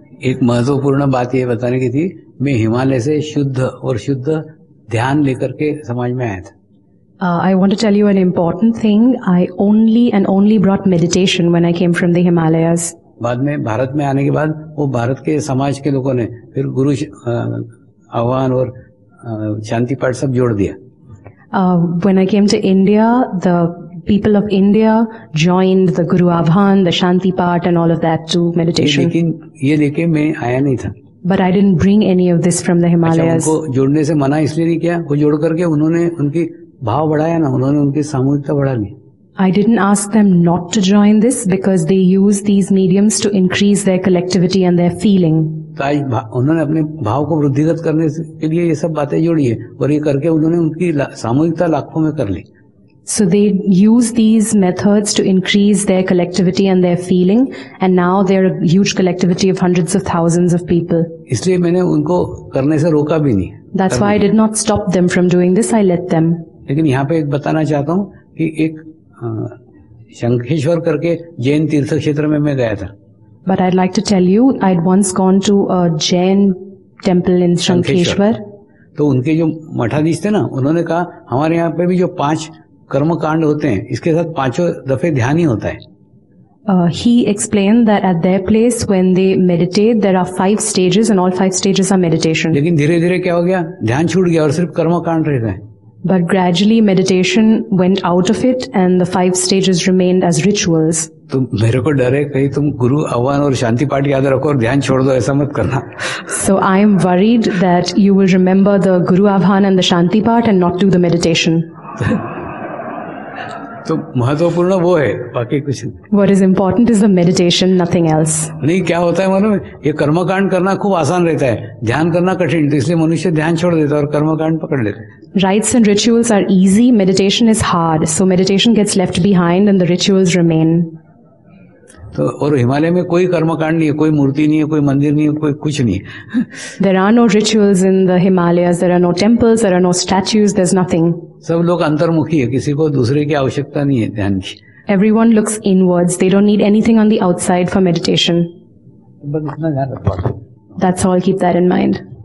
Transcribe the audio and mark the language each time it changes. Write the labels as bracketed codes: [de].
[hi] एक महत्वपूर्ण बात यह बताने की थी, मैं हिमालय से शुद्ध और शुद्ध ध्यान लेकर के समाज में आया था. [en] I want to tell you an important thing. I only and only brought meditation when I came from the Himalayas. [hi] बाद में भारत में आने के बाद वो भारत के समाज के लोगों ने फिर गुरु आह्वान और शांति पाठ सब जोड़ दिया. [en] When I came to India, the people of India joined the Guru Abhan, the Shanti part, and all of that to meditation. [hi] ये लेके मैं आया नहीं था. [en] But I didn't bring any of this from the Himalayas. [hi] अच्छा, उनको जोड़ने से मना इसलिए नहीं किया, वो जोड़ करके उन्होंने उनकी भाव बढ़ाया ना, उन्होंने उनकी सामूहिकता बढ़ा ली. [en] I didn't ask them not to join this because they use these mediums to increase their collectivity and their feeling. [hi] तो आज उन्होंने अपने भाव को वृद्धिगत करने के लिए ये सब बातें जोड़ी है और ये करके उन्होंने उनकी सामूहिकता लाखों में कर ली. [en] So they use these methods to increase their collectivity and their feeling, and now they are a huge collectivity of hundreds of thousands of people. [hi] इसलिए मैंने उनको करने से रोका भी नहीं. [en] That's why I did not stop them from doing this. I let them. [hi] लेकिन यहाँ पे एक बताना चाहता हूँ कि एक शंखेश्वर करके जैन तीर्थ क्षेत्र में मैं गया था. [en] But I'd like to tell you, I'd once gone to a Jain temple in Shankheshwar. [hi] तो उनके जो मठाधीश थे ना, उन्होंने कहा हमारे यहाँ पे भी जो पांच कर्म कांड होते हैं इसके साथ पांचों दफे ध्यान ही होता है. [en] He explained that at their place when they meditate there are five stages and all five stages are meditation. [hi] लेकिन धीरे धीरे क्या हो गया, ध्यान छूट गया और सिर्फ कर्म कांड रह गए. [en] But gradually meditation went out of it and the five stages remained as rituals. [hi] तो मेरे को डर है कहीं तुम गुरु आह्वान और शांति पाठ याद रखो और ध्यान छोड़ दो, ऐसा मत करना. [en] So I am worried that you will remember the Guru Avahan and the Shanti part and not do the meditation. [hi] तो महत्वपूर्ण वो है, बाकी कुछ नहीं. [en] What is important is the meditation, nothing else. [hi] नहीं, क्या होता है मालूम, ये कर्मकांड करना खूब आसान रहता है, ध्यान करना कठिन, तो इसलिए मनुष्य ध्यान छोड़ देता है और कर्मकांड पकड़ लेता है. [en] Rites and rituals are easy, meditation is hard. So meditation gets left behind and the rituals remain. [hi] तो और हिमालय में कोई कर्मकांड नहीं है, कोई मूर्ति नहीं है, कोई मंदिर नहीं है, कोई कुछ नहीं है. [en] There are no rituals in the Himalayas. There are no temples. There are no statues. There's nothing. [hi] सब लोग अंतर्मुखी है, किसी को दूसरे की आवश्यकता नहीं है ध्यान की. [en] Everyone looks inwards. They don't need anything on the outside for meditation. [hi] बस इतना ध्यान रखो. [en] That's all. Keep that in mind.